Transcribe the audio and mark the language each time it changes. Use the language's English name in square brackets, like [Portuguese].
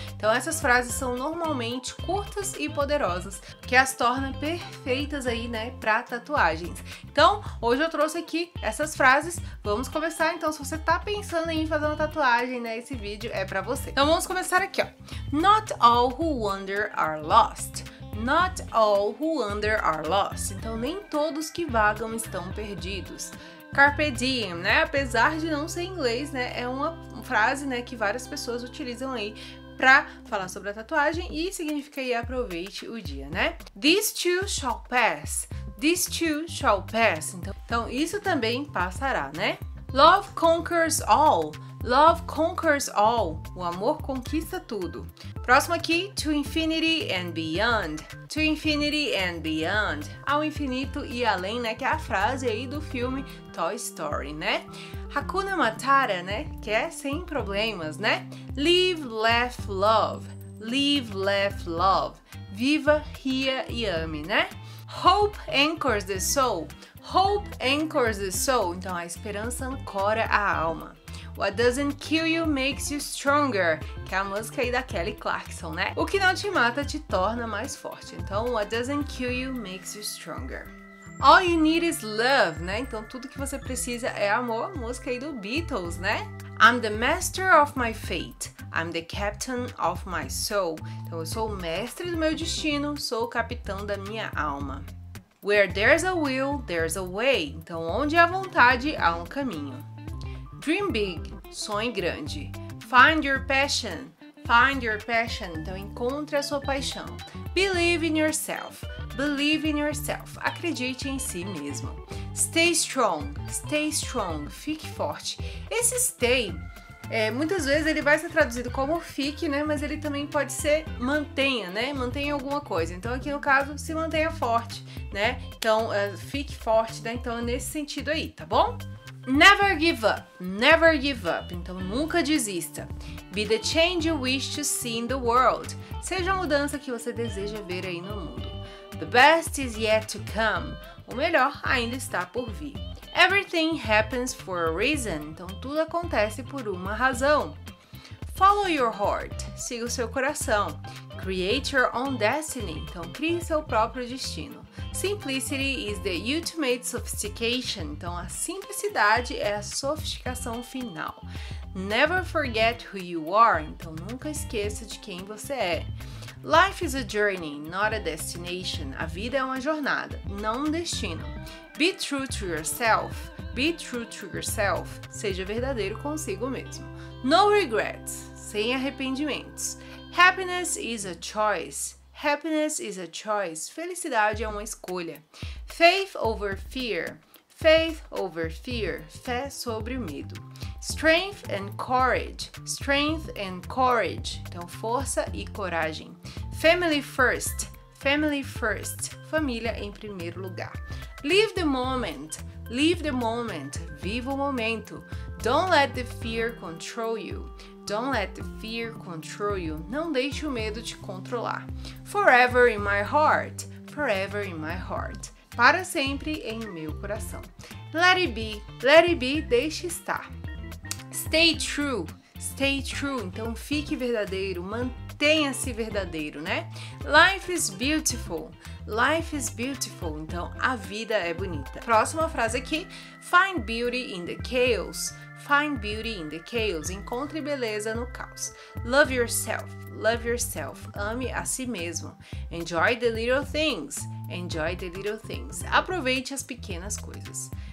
[Portuguese] Então essas frases são normalmente curtas e poderosas, que as tornam perfeitas aí, né, para tatuagens. Então hoje eu trouxe aqui essas frases. Vamos começar. Então, se você tá pensando em fazer uma tatuagem, né, esse vídeo é para você. Então vamos começar aqui, ó. [English] Not all who wander are lost. Not all who wander are lost. [Portuguese] Então nem todos que vagam estão perdidos. Carpe diem, né? Apesar de não ser inglês, né, é uma frase, né, que várias pessoas utilizam aí pra falar sobre a tatuagem e significa aí aproveite o dia, né? [English] These too shall pass. This too shall pass. [Portuguese] Então isso também passará, né? [English] Love conquers all. Love conquers all. [Portuguese] O amor conquista tudo. Próximo aqui, [English] to infinity and beyond. To infinity and beyond. [Portuguese] Ao infinito e além, né? Que é a frase aí do filme Toy Story, né? Hakuna Matata, né? Que é sem problemas, né? [English] Live, laugh, love. Live, laugh, love. [Portuguese] Viva, ria e ame, né? [English] Hope anchors the soul. Hope anchors the soul. [Portuguese] Então, a esperança ancora a alma. [English] What doesn't kill you makes you stronger, [Portuguese] que é a música aí da Kelly Clarkson, né? O que não te mata te torna mais forte. [English] Então, what doesn't kill you makes you stronger. All you need is love, né? [Portuguese] Então, tudo que você precisa é amor, música aí do Beatles, né? [English] I'm the master of my fate. I'm the captain of my soul. [Portuguese] Então, eu sou o mestre do meu destino, sou o capitão da minha alma. [English] Where there's a will, there's a way. [Portuguese] Então, onde há vontade, há um caminho. [English] Dream big, [Portuguese] sonhe grande. [English] Find your passion, find your passion. [Portuguese] Então encontre a sua paixão. [English] Believe in yourself, believe in yourself. [Portuguese] Acredite em si mesmo. [English] Stay strong, stay strong. [Portuguese] Fique forte. Esse stay, muitas vezes ele vai ser traduzido como fique, né? Mas ele também pode ser mantenha, né? Mantenha alguma coisa. Então aqui no caso, se mantenha forte, né? Então fique forte, né? Então é nesse sentido aí, tá bom? [English] Never give up, never give up. [Portuguese] Então nunca desista. [English] Be the change you wish to see in the world. [Portuguese] Seja a mudança que você deseja ver aí no mundo. [English] The best is yet to come. [Portuguese] O melhor ainda está por vir. [English] Everything happens for a reason. [Portuguese] Então tudo acontece por uma razão. [English] Follow your heart. [Portuguese] Siga o seu coração. Create your own destiny. Então crie seu próprio destino. [English] Simplicity is the ultimate sophistication. [Portuguese] Então a simplicidade é a sofisticação final. [English] Never forget who you are. [Portuguese] Então nunca esqueça de quem você é. [English] Life is a journey, not a destination. [Portuguese] A vida é uma jornada, não um destino. [English] Be true to yourself. Be true to yourself. [Portuguese] Seja verdadeiro consigo mesmo. [English] No regrets. [Portuguese] Sem arrependimentos. [English] Happiness is a choice. Happiness is a choice. [Portuguese] Felicidade é uma escolha. [English] Faith over fear. Faith over fear. [Portuguese] Fé sobre o medo. [English] Strength and courage. Strength and courage. [Portuguese] Então, força e coragem. [English] Family first. Family first. [Portuguese] Família em primeiro lugar. [English] Live the moment. Live the moment. [Portuguese] Viva o momento. [English] Don't let the fear control you. Don't let the fear control you. [Portuguese] Não deixe o medo te controlar. [English] Forever in my heart. Forever in my heart. [Portuguese] Para sempre em meu coração. [English] Let it be. Let it be. [Portuguese] Deixe estar. [English] Stay true. Stay true. [Portuguese] Então fique verdadeiro. Mantenha-se verdadeiro, né? [English] Life is beautiful. Life is beautiful. [Portuguese] Então a vida é bonita. Próxima frase aqui. [English] Find beauty in the chaos. Find beauty in the chaos. [Portuguese] Encontre beleza no caos. [English] Love yourself. Love yourself. [Portuguese] Ame a si mesmo. [English] Enjoy the little things. Enjoy the little things. [Portuguese] Aproveite as pequenas coisas.